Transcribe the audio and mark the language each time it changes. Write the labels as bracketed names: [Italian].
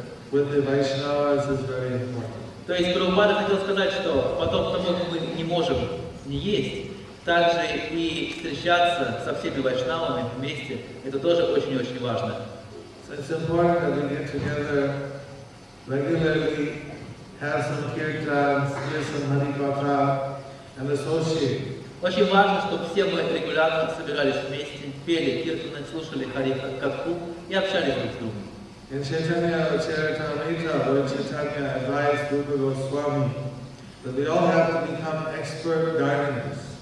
[Russian] То есть Прабхупада хотел сказать, что потом, как мы не можем не есть, также и встречаться со всеми вайшнавами вместе, это тоже очень-очень важно. [English] So it's important that we get together regularly, have some kirtans, hear some harikatha, and associate. [Russian] Очень важно, чтобы все мы регулярно собирались вместе, пели киртаны, слушали харикатху и общались друг с другом. [English] In Chaitanya Charitamrita, Lord Chaitanya advised Rupa Goswami that we all have to become expert gardeners.